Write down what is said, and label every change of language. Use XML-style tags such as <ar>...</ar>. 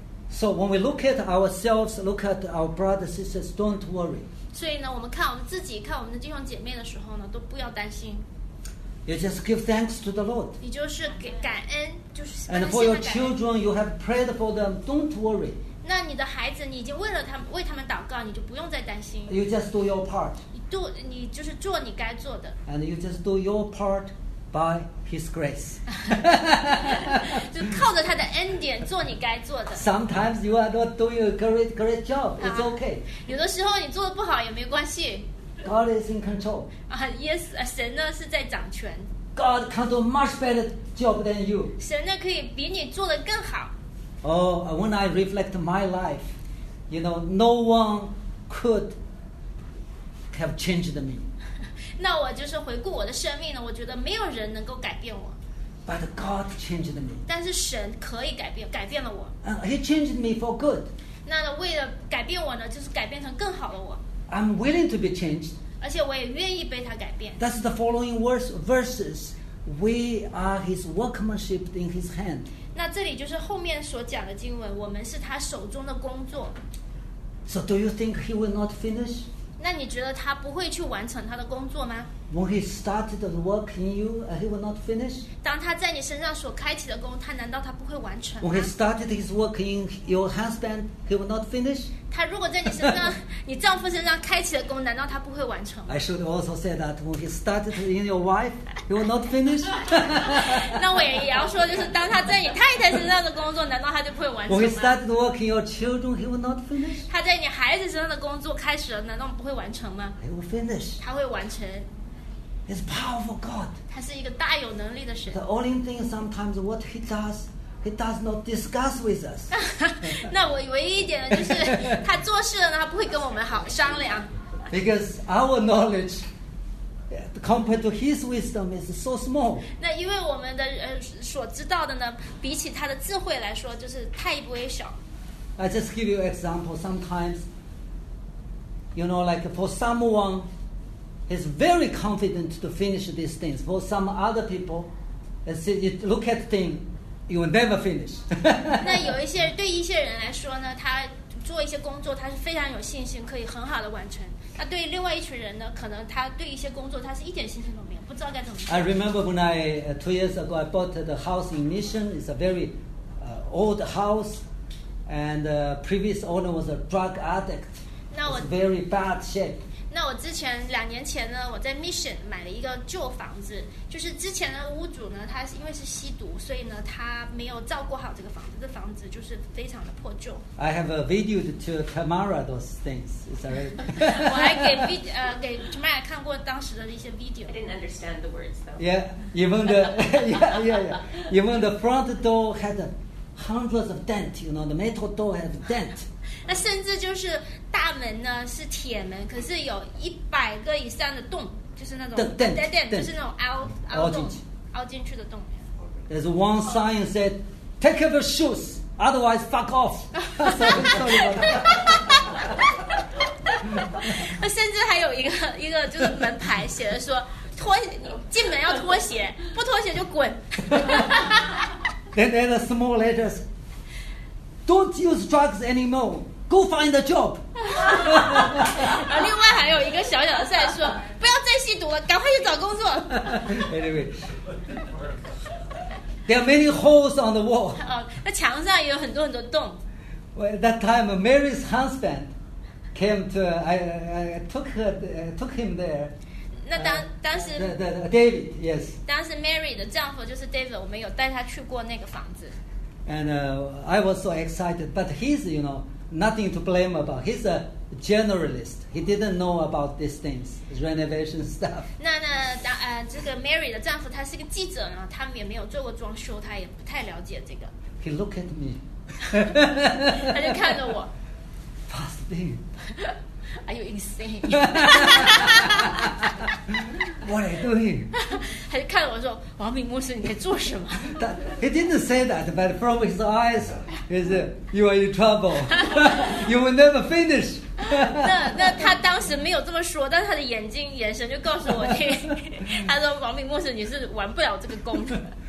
<en>So when we look at ourselves, look at our brothers, sisters, don't worry.</en> <zh>所以呢，我们看我们自己，看我们的弟兄姐妹的时候呢，都不要担心。</zh> <en>You just give thanks to the Lord.</en> <zh>你就是给感恩，就是。</zh> <en>And for your children, you have prayed for them. Don't worry.</en> <zh>那你的孩子，你已经为了他们为他们祷告，你就不用再担心。</zh> <en>You just do your part.</en> <zh>你就是做你该做的。</zh> <en>And you just do your part by His grace.</en> <zh>就靠着他的恩典做你该做的。</zh> <en>Sometimes you are not doing a great job. It's okay.</en> <zh>有的时候你做的不好也没关系。</zh> <en>God is in control.</en> <zh>啊 ，Yes， 神呢是在掌权。</zh> <en>God can do much better job than you.</en> <zh>神呢可以比你做的更好。</zh> <en>Oh, when I reflect my life, you know, no one could have changed me.</en> <zh>那我就是回顾我的生命呢，我觉得没有人能够改变我。</zh> <en>But God changed me.</en> <zh>但是神可以改变了我。</zh> <en>He changed me for good.</en> <zh>那为了改变我呢，就是改变成更好的我。</zh> <en>I'm willing to be changed.</en> <zh>而且我也愿意被他改变。</zh> <en>That's the following verses. We are His workmanship in His hand.</en> <zh>那这里就是后面所讲的经文，我们是他手中的工作。</zh> <en>So do you think he will not finish?</en> <zh>那你觉得他不会去完成他的工作吗？</zh> <en>When he started the work in you, he will not finish?</en> <zh>当他在你身上所开启的工，他难道他不会完成吗？</zh> <en>When he started his work in your husband, he will not finish?</en> <zh>他如果在你身上，你丈夫身上开启的工，难道他不会完成吗？</zh> <en>I should also say that when he started in your wife, he will not finish?</en> <zh>那我也要说，就是当他在你太太身上的工作，难道他就不会完成吗？</zh> <en>When he started working your children, he will not finish?</en> <zh>他在你孩子身上的工作开始了，难道不会完成吗？</zh> <en>He will finish.</en> <zh>他会完成。</zh> <en>It's powerful God.</en> <zh>他是一个大有能力的神。</zh> <en>The only thing sometimes what he does, he does not discuss with us.</en> <zh>那我唯一一点就是他做事呢，他不会跟我们好商量。</zh> <en>Because our knowledge compared to his wisdom is so small.</en> <zh>那因为我们的所知道的呢，比起他的智慧来说，就是太微小。</zh> <en>I just give you an example. Sometimes, you know, like for someone. He's very confident to finish these things. For some other people, you look at things, you will never finish.</en> <zh>那有一些对一些人来说呢，他做一些工作，他是非常有信心，可以很好的完成。那对另外一群人呢，可能他对一些工作，他是一点信心都没有，不知道该怎么办。</zh> <en>I remember when I 2 years ago I bought the house in Mission. It's a very old house, and the previous owner was a drug addict. It's very bad shape.</en> <zh>那我之前两年前呢，我在 Mission 买了一个旧房子，就是之前的屋主呢，他因为是吸毒，所以呢，他没有照顾好这个房子，这房子就是非常的破旧。</zh> <en>I have a video to Tamara those things. It's alright.</en> <zh>我还给 Tamara 看过当时的一些 video.</zh> <en>I didn't understand the words though. Yeah, even the even the front door had hundreds of dent. You know, the metal door had dent.</en> <zh>那甚至就是大门呢是铁门，可是有100个以上的洞，就是那种</zh> <en>dent,</en> <zh>就是那种凹进去的洞。</zh> <en>There's one sign said, "Take off your shoes, otherwise fuck off." Sorry about that.</en> <zh>那甚至还有一个就是门牌写的说，脱进门要脱鞋，不脱鞋就滚。</zh> <en>Then there's a small letters. Don't use drugs anymore. Go find a job.</en> <zh>然后另外还有一个小小的在说，不要再吸毒了，赶快去找工作。</zh> <en>Anyway. There are many holes on the wall.</en> <zh>那墙上也有很多很多洞。</zh> <en>Well, at that time, Mary's husband came to. I took him there.</en> <zh>那当时。</zh> <en>David, yes.</en> <zh>当时 Mary 的丈夫就是 David， 我们有带他去过那个房子。</zh> <en>And I was so excited, but he's, you know, nothing to blame about. He's a generalist. He didn't know about these things, renovation stuff.</en> <zh>那这个 Mary 的丈夫他是个记者呢，他也没有做过装修，他也不太了解这个。</zh> <en>He looked at me.</en> <zh>他就看着我。</zh> <en>Fasting. Are you insane? What are you doing?</en> <zh>他就看着我说，王明牧师，你在做什么？</zh> <en>He didn't say that, but from his eyes, he said, "You are in trouble. You will never finish."</en> <zh>那他当时没有这么说，但他的眼睛眼神就告诉我他说，王明牧师，你是玩不了这个功的。</zh>